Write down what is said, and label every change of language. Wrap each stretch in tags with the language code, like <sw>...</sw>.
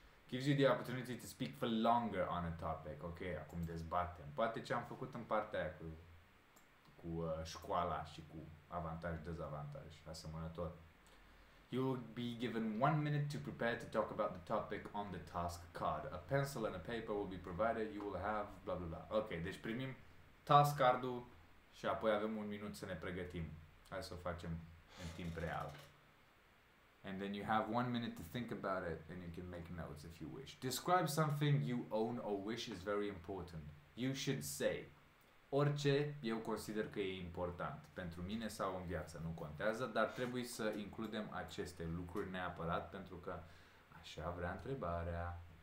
<en>Gives you the opportunity to speak for longer on a topic.</en> <ro>Ok, acum dezbatem. Poate ce am făcut în partea aia cu școala și cu avantaj și dezavantaj, asemănător.</ro> <en>You'll be given 1 minute to prepare to talk about the topic on the task card. A pencil and a paper will be provided. You will have blah, blah, blah.</en> <ro>Ok, deci primim task card-ul și apoi avem 1 minut să ne pregătim. Hai să o facem în timp real.</ro> <en>And then you have 1 minute to think about it and you can make notes if you wish. Describe something you own or wish is very important. You should say.</en> <ro>Orice eu consider că e important pentru mine sau în viață, nu contează, dar trebuie să includem aceste lucruri neapărat pentru că așa vrea întrebarea.</ro>